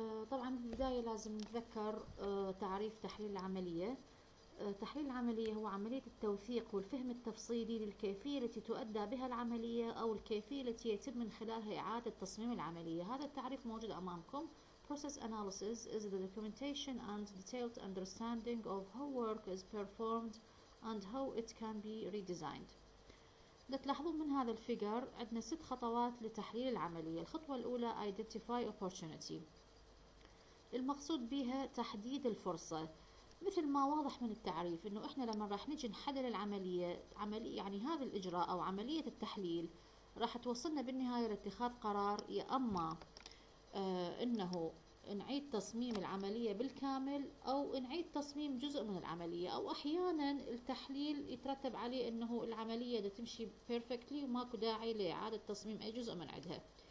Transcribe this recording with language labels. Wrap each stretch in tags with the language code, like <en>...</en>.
<ar>طبعا بالبداية لازم نتذكر تعريف تحليل العملية. تحليل العملية هو عملية التوثيق والفهم التفصيلي للكيفية التي تؤدى بها العملية أو الكيفية التي يتم من خلالها إعادة تصميم العملية. هذا التعريف موجود أمامكم.</ar> <en>Process analysis is the documentation and detailed understanding of how work is performed and how it can be redesigned.</en> <ar>لتلاحظون من هذا الفيجر عندنا 6 خطوات لتحليل العملية. الخطوة الأولى</ar> <en>Identify Opportunity،</en> <ar>المقصود بها تحديد الفرصة. مثل ما واضح من التعريف انه احنا لما راح نجي نحلل العمليه، عمليه يعني هذا الاجراء او عمليه التحليل راح توصلنا بالنهايه لاتخاذ قرار، يا اما انه نعيد تصميم العمليه بالكامل او نعيد تصميم جزء من العمليه، او احيانا التحليل يترتب عليه انه العمليه دا تمشي بيرفكتلي وماكو داعي لاعاده تصميم اي جزء من عندها.</ar>